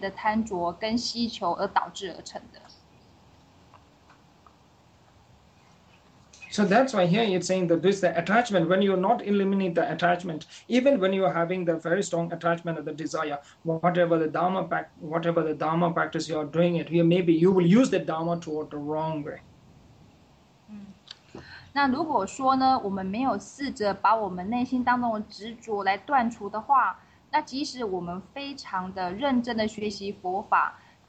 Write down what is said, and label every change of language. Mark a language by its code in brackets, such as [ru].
[zh] 那有时候，因为我们太过为自我中心的缘故，那有很强烈的这种执着，还有很强烈的这种贪欲，那就会希望说别人他们做事的方式会是正如我们所期待的方式去做。那其实这都是源于非常强烈的贪着跟需求而导致而成的。 [en] So that's why here it's saying that this is the attachment. When you not eliminate the attachment, even when you are having the very strong attachment of the desire, whatever the dharma practice you are doing it, here maybe you will use the dharma toward the wrong way. [zh] 那如果说呢，我们没有试着把我们内心当中的执着来断除的话，那即使我们非常的认真的学习佛法。